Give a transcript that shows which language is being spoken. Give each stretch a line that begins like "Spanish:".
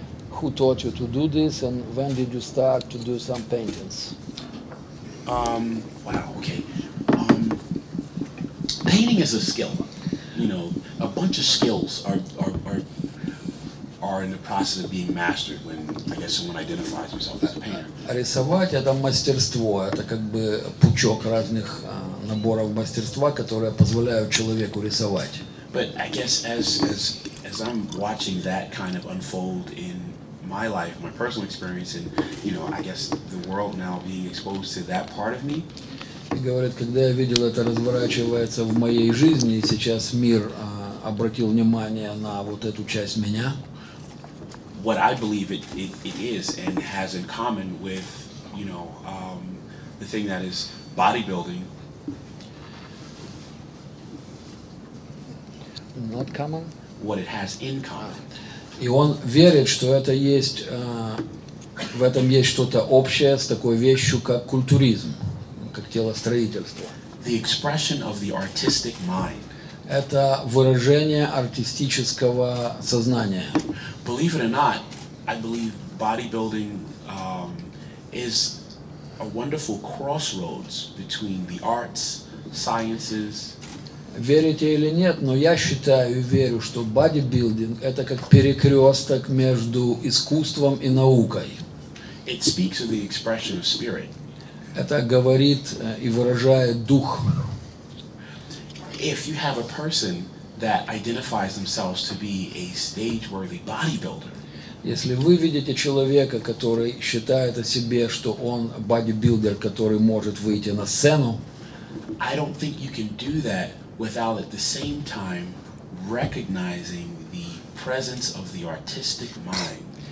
English: Who taught you to do this, and when did you start to do some paintings? Painting is a skill. You know, a bunch of skills are in the process of being mastered when, I guess, someone identifies himself as a painter.
Russian: Рисовать это мастерство, это как бы пучок разных наборов мастерства, которые позволяют человеку рисовать.
English: But I guess as I'm watching that kind of unfold in my life, my personal experience, and, you know, I guess the world now being exposed to that part of me.
Russian: И говорит, когда я видел это разворачивается в моей жизни, и сейчас мир обратил внимание на вот эту часть меня.
English: What I believe it is and has in common with, you know, the thing that is bodybuilding. Not common. What it has in common.
Russian: И он верит, что это есть, в этом есть что-то общее с такой вещью, как культуризм, как телостроительство.
English: The expression of the artistic mind.
Russian: Это выражение артистического сознания.
English: Believe it or not, I believe bodybuilding is a wonderful crossroads between the arts, sciences.
Russian: Верите или нет, но я считаю и верю, что бодибилдинг – это как перекресток между искусством и наукой.
English: It speaks of the expression of spirit.
Russian: Это говорит и выражает дух.
English: If you have a person that identifies themselves to be a stage-worthy bodybuilder.
Russian: Если вы видите человека, который считает о себе, что он бодибилдер, который может выйти на сцену,
English: I don't think you can do that without at the same time recognizing the presence of the artistic mind.